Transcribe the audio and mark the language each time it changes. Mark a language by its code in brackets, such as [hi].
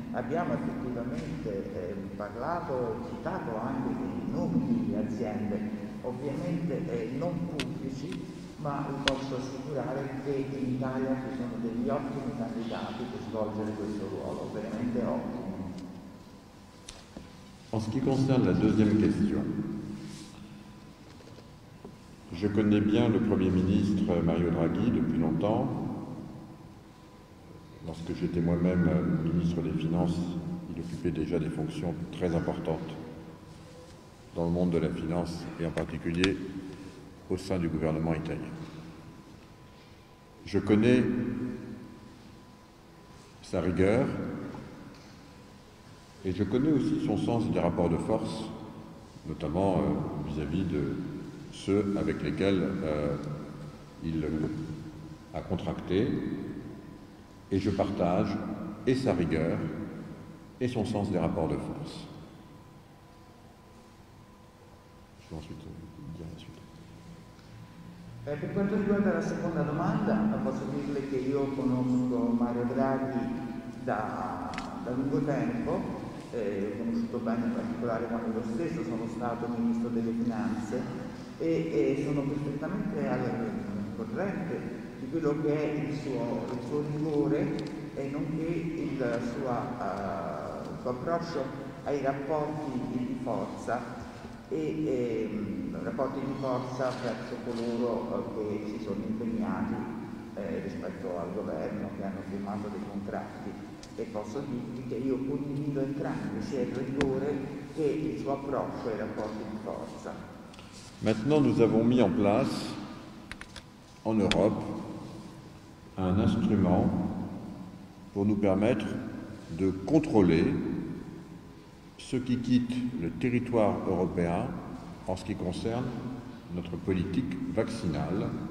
[it] Abbiamo effettivamente parlato, citato anche dei nomi delle aziende, ovviamente non pubblici, ma vi posso assicurare che in Italia ci sono degli ottimi candidati per svolgere questo ruolo, veramente ottimi. [fr] En ce qui concerne la deuxième question, je connais bien le Premier ministre Mario Draghi depuis longtemps. Lorsque j'étais moi-même ministre des Finances, il occupait déjà des fonctions très importantes dans le monde de la finance et en particulier au sein du gouvernement italien. Je connais sa rigueur et je connais aussi son sens des rapports de force, notamment vis-à-vis de ceux avec lesquels il a contracté et je partage et sa rigueur et son sens des rapports de force. Je vais ensuite dire la suite. [it] Per quanto riguarda la seconda domanda, posso dirle che io conosco Mario Draghi da lungo tempo, ho conosciuto bene in particolare quando io stesso sono stato ministro delle finanze e sono perfettamente al corrente di quello che è il suo rigore e nonché il suo approccio ai rapporti di forza. E rapporti di forza verso coloro che si sono impegnati rispetto al governo, che hanno firmato dei contratti. E posso dirvi che io condivido entrambi, sia il rigore che il suo approccio ai rapporti di forza. [fr] Maintenant, nous avons mis en place en Europe un instrument pour nous permettre de contrôler ceux qui quittent le territoire européen en ce qui concerne notre politique vaccinale.